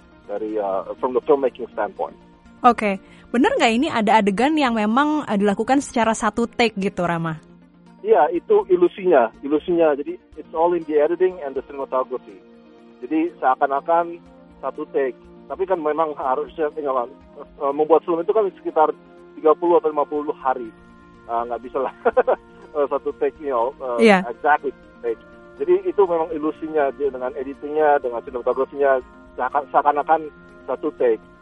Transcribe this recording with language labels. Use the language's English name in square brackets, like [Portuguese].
[English] Dari, from the filmmaking standpoint. Oke, okay. [Indonesian] Benar nggak ini ada adegan yang memang dilakukan secara satu take gitu, Rama? Iya, itu ilusinya. [English] Jadi, it's all in the editing and the cinematography. [Indonesian] Jadi, seakan-akan satu take. Tapi kan memang harusnya, membuat film itu kan sekitar 30 atau 50 hari. Nggak bisa lah satu take, exactly take. Jadi, itu memang ilusinya dengan editingnya, dengan cinematografinya, seakan-akan satu take.